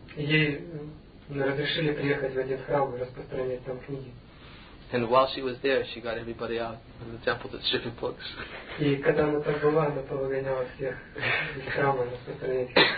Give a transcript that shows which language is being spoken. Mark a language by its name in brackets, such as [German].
[Russian] Ей разрешили приехать в один храм и распространять там книги. [English] And while she was there, she got everybody out of the temple to distribute books. [Russian] И когда она там была, она повыгоняла всех из храма распространять.